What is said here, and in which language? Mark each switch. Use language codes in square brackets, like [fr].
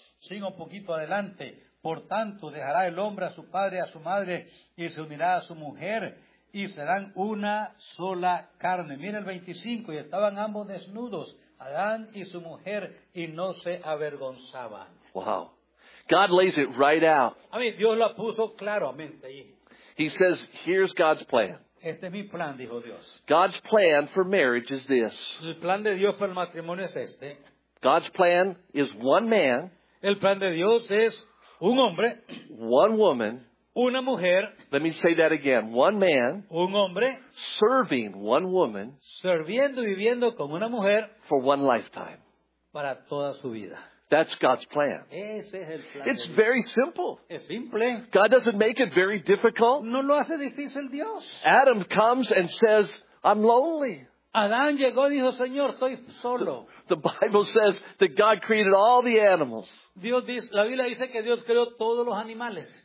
[es] Sigo un poquito adelante. Por tanto, dejará el hombre a su padre y a su madre, y se unirá a su mujer, y serán una sola carne. Miren el 25. Y estaban ambos desnudos, Adán y su mujer, y no se avergonzaban. [en] Wow. God lays it right out. I mean, [es] Dios lo puso claramente ahí. [en] He says, here's God's plan. [es] Este es mi plan, dijo Dios. [en] God's plan for marriage is this. [es] El plan de Dios para el matrimonio es este. [en] God's plan is one man. [es] El plan de Dios es un hombre. [en] One woman. [es] Una mujer. [en] Let me say that again. One man. [es] Un hombre. [en] Serving one woman. [es] Serviendo y viviendo con una mujer. [en] For one lifetime. [es] Para toda su vida. [en] That's God's plan. [es] Ese es el plan. [en] It's very simple. [es] Es simple. [en] God doesn't make it very difficult. [es] No lo hace difícil Dios. [en] Adam comes and says, I'm lonely. [es] Adán llegó y dijo, Señor, estoy solo. [en] The Bible says that God created all the animals. [es] Dios dice, la Biblia dice que Dios creó todos los animales.